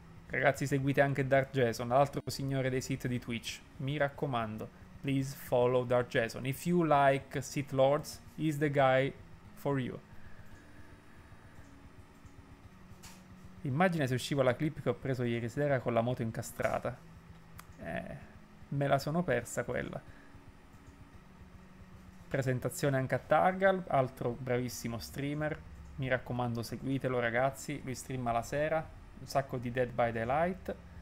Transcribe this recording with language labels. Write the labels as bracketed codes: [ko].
[it] Ragazzi, seguite anche Targeson, l'altro signore dei Sith di Twitch. Mi raccomando, [en] please follow Targeson. If you like Sith Lords, he's the guy for you. [it] Immagina se uscivo la clip che ho preso ieri sera con la moto incastrata. Me la sono persa quella. Presentazione anche a Targal, altro bravissimo streamer. Mi raccomando, seguitelo ragazzi, lui streama la sera. Un sacco di Dead by Daylight.